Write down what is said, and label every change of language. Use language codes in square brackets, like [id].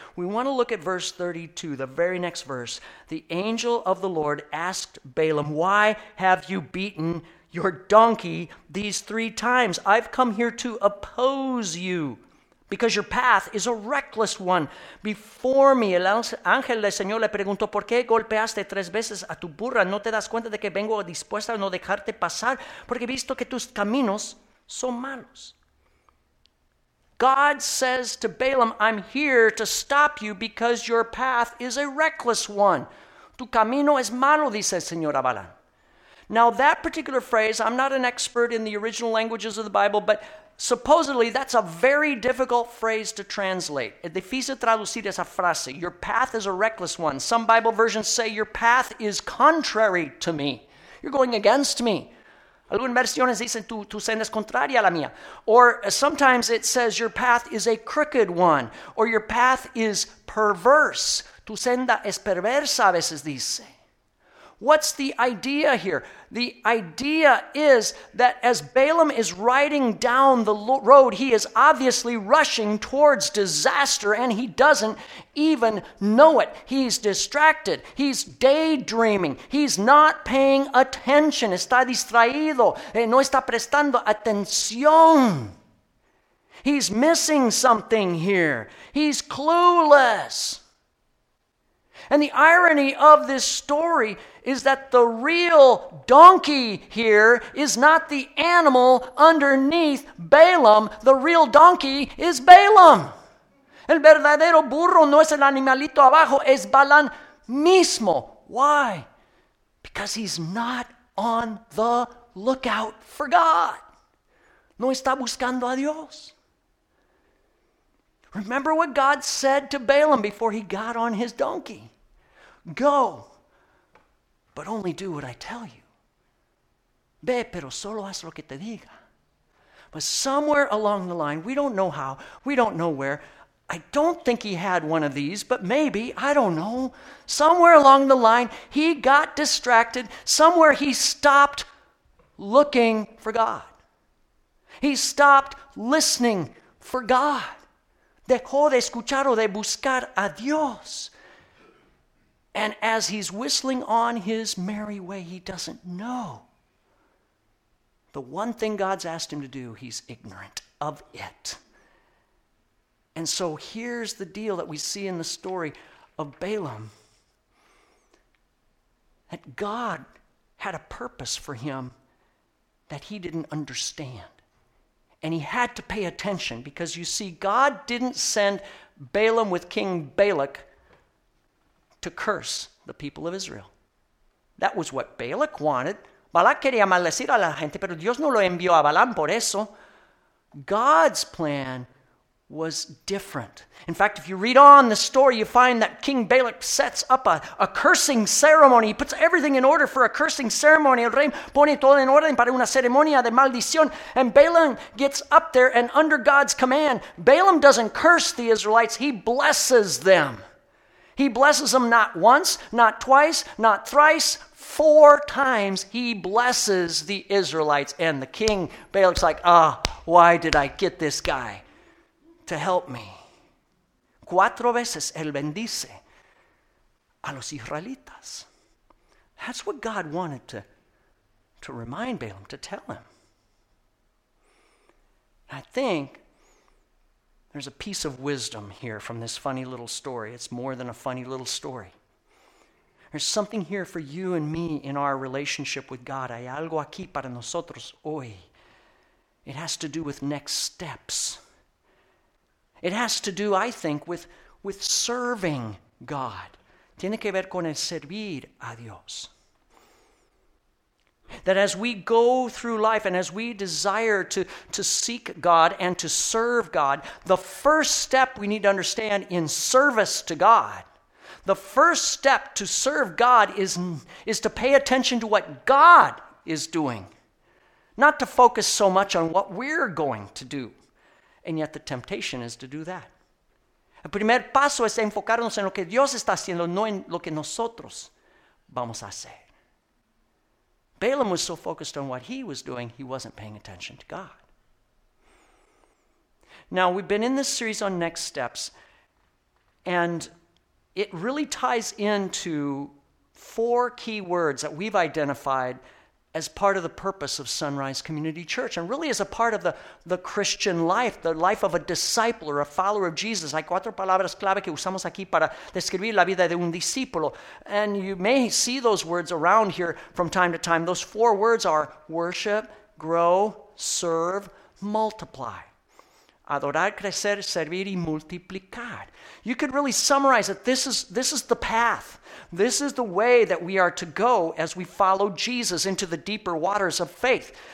[en] We want to look at verse 32, the very next verse. The angel of the Lord asked Balaam, why have you beaten your donkey these three times? I've come here to oppose you because your path is a reckless one before me. [es] El ángel del Señor le preguntó, ¿por qué golpeaste tres veces a tu burra? ¿No te das cuenta de que vengo dispuesta a no dejarte pasar? Porque he visto que tus caminos son malos. [en] God says to Balaam, I'm here to stop you because your path is a reckless one. [es] Tu camino es malo, dice el Señor a Balaam. [en] Now that particular phrase, I'm not an expert in the original languages of the Bible, but supposedly that's a very difficult phrase to translate. [es] Es difícil traducir esa frase. [en] Your path is a reckless one. Some Bible versions say your path is contrary to me. You're going against me. [es] Algunas versiones dicen tu senda es contraria a la mía. [en] Or sometimes it says your path is a crooked one. Or your path is perverse. [es] Tu senda es perversa, a veces dice. [en] What's the idea here? The idea is that as Balaam is riding down the road, he is obviously rushing towards disaster and he doesn't even know it. He's distracted. He's daydreaming. He's not paying attention. [es] Está distraído. No está prestando atención. [en] He's missing something here. He's clueless. And the irony of this story is that the real donkey here is not the animal underneath Balaam. The real donkey is Balaam. [es] El verdadero burro no es el animalito abajo, es Balaam mismo. [en] Why? Because he's not on the lookout for God. [es] No está buscando a Dios. [en] Remember what God said to Balaam before he got on his donkey. Go, but only do what I tell you. [es] Ve, pero solo haz lo que te diga. [en] But somewhere along the line, we don't know how, we don't know where, I don't think he had one of these, but maybe, I don't know. Somewhere along the line, he got distracted. Somewhere he stopped looking for God. He stopped listening for God. [es] Dejó de escuchar o de buscar a Dios. [en] And as he's whistling on his merry way, he doesn't know. The one thing God's asked him to do, he's ignorant of it. And so here's the deal that we see in the story of Balaam. That God had a purpose for him that he didn't understand. And he had to pay attention because you see, God didn't send Balaam with King Balak to curse the people of Israel. That was what Balak wanted. [es] Balak quería maldecir a la gente, pero Dios no lo envió a Balaam por eso. [en] God's plan was different. In fact, if you read on the story, you find that King Balak sets up a cursing ceremony. He puts everything in order for a cursing ceremony. [es] El rey pone todo en orden para una ceremonia de maldición. [en] And Balaam gets up there, and under God's command, Balaam doesn't curse the Israelites. He blesses them. He blesses them not once, not twice, not thrice, four times. He blesses the Israelites. And the king, Balak's like, why did I get this guy to help me? [es] Cuatro veces él bendice a los israelitas. [en] That's what God wanted to remind Balaam, to tell him. I think there's a piece of wisdom here from this funny little story. It's more than a funny little story. There's something here for you and me in our relationship with God. [es] Hay algo aquí para nosotros hoy. [en] It has to do with next steps. It has to do, I think, with serving God. [es] Tiene que ver con el servir a Dios. [en] That as we go through life and as we desire to seek God and to serve God, the first step we need to understand in service to God, the first step to serve God is to pay attention to what God is doing, not to focus so much on what we're going to do. And yet the temptation is to do that. [es] El primer paso es enfocarnos en lo que Dios está haciendo, no en lo que nosotros vamos a hacer. [en] Balaam was so focused on what he was doing, he wasn't paying attention to God. Now, we've been in this series on next steps, and it really ties into four key words that we've identified as part of the purpose of Sunrise Community Church, and really as a part of the Christian life, the life of a disciple or a follower of Jesus. [es] Hay cuatro palabras clave que usamos aquí para describir la vida de un discípulo. [en] And you may see those words around here from time to time. Those four words are worship, grow, serve, multiply. [es] Adorar, crecer, servir y multiplicar. [en] You could really summarize that this is the path. This is the way that we are to go as we follow Jesus into the deeper waters of faith.